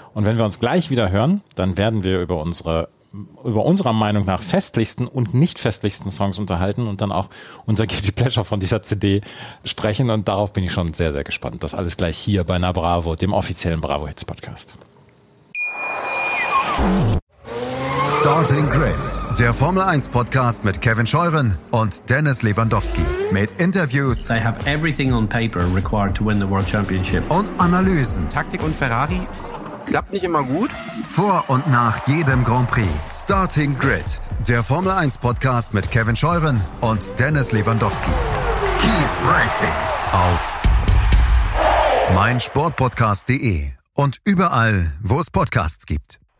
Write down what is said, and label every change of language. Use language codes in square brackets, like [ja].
[de] Und wenn wir uns gleich wieder hören, dann werden wir über unsere, über unserer Meinung nach festlichsten und nicht festlichsten Songs unterhalten und dann auch unser Guilty Pleasure von dieser CD sprechen. Und darauf bin ich schon sehr, sehr gespannt. Das alles gleich hier bei Na Bravo, dem offiziellen Bravo Hits Podcast. Starting Grid, der Formel 1 Podcast mit Kevin Scheuren und Dennis Lewandowski. Mit Interviews. [en] I have everything on paper required to win the World Championship. [de] Und Analysen. Taktik und Ferrari. Klappt nicht immer gut. Vor und nach jedem Grand Prix. Starting Grid, der Formel 1 Podcast mit Kevin Scheuren und Dennis Lewandowski. [en] Keep racing. [de] Auf meinsportpodcast.de und überall, wo es Podcasts gibt.